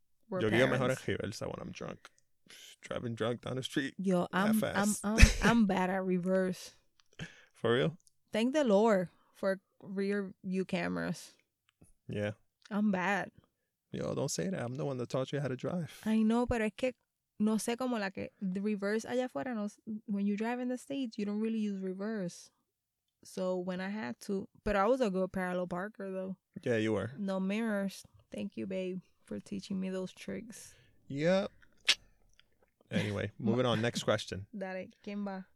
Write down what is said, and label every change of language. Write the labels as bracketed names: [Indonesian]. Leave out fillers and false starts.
[English] We're parents. Yo guío mejor en reversa when I'm drunk. Driving drunk down the street. Yo, I'm bad at reverse. For real? Thank the Lord for rear view cameras. Yeah. I'm bad. Yo, don't say that. I'm the one that taught you how to drive. [Spanish] I know, pero es que no sé cómo la que the reverse allá afuera. [English] No, when you drive in the States, you don't really use reverse. So when I had to, but I was a good parallel parker though. Yeah, you were. No mirrors. Thank you, babe, for teaching me those tricks. Yep. Anyway, moving on. Next question. [Spanish] Dale, ¿quién va?